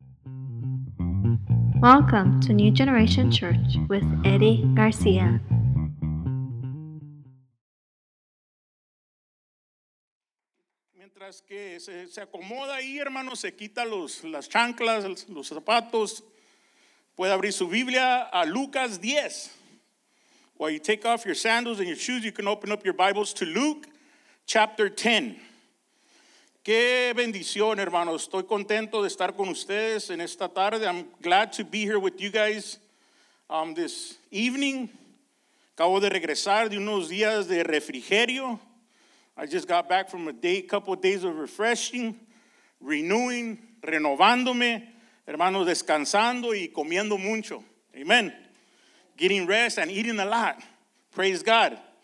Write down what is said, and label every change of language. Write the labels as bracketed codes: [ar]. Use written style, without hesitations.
[en] Welcome to New Generation Church with Eddie Garcia. [es] Mientras que se acomoda ahí, hermano, se quita las chanclas, los zapatos, puede abrir su Biblia a Lucas 10. [en] While you take off your sandals and your shoes, you can open up your Bibles to Luke chapter 10. [es] Qué bendición, hermanos. Estoy contento de estar con ustedes en esta tarde. [en] I'm glad to be here with you guys this evening. [es] Acabo de regresar de unos días de refrigerio. [en] I just got back from a couple of days of refreshing, renewing, [es] renovándome, hermanos, descansando y comiendo mucho. [en] Amen. Getting rest and eating a lot. Praise God.